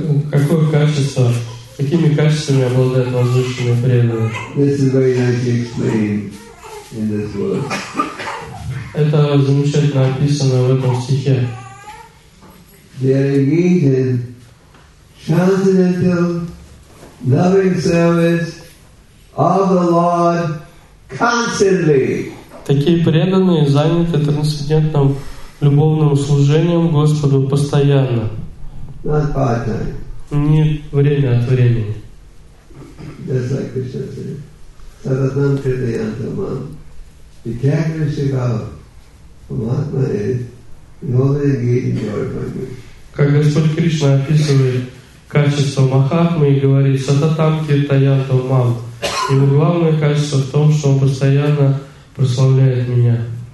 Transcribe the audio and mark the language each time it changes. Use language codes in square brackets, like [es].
[ru] Какое качество, какими качествами обладает возвышенный преданный? [en] This is very nicely explained in this verse. [ru] Это замечательно описано в этом стихе. [en] They are engaged in transcendental loving service of the Lord constantly. [ru] Такие преданные заняты трансцендентным любовным служением Господу постоянно. [en] Not part-time. [ru] Не время от времени. [en] Just like Krishna said, Saratam Kriyantamam. The characteristic of Mahatma is you always engage in glorifying me. [ru] Как Господь Кришна описывает качество Махатмы и говорит [sa] «Сататам киртаянтам мам». [ru] Его главное качество в том, что он постоянно прославляет меня.